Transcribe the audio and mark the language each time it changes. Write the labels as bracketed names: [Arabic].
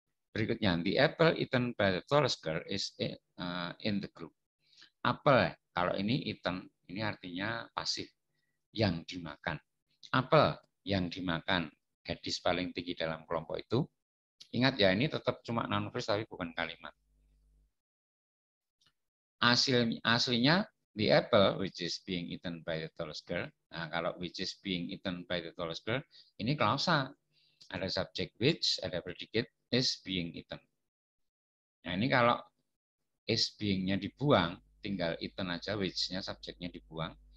[English] Berikutnya, the apple eaten by the tallest girl is in the group. [Indonesian] Apple, kalau ini eaten, ini artinya pasif, yang dimakan. Apple yang dimakan, gadis paling tinggi dalam kelompok itu. Ingat ya, ini tetap cuma noun phrase tapi bukan kalimat. [English] Aslinya, the apple which is being eaten by the tallest girl. [Indonesian] Nah, kalau [English] which is being eaten by the tallest girl, [Indonesian] ini klausa. Ada subject which, ada predicate, is being eaten. Nah, ini kalau is being-nya dibuang, tinggal eaten aja, which-nya subject-nya dibuang.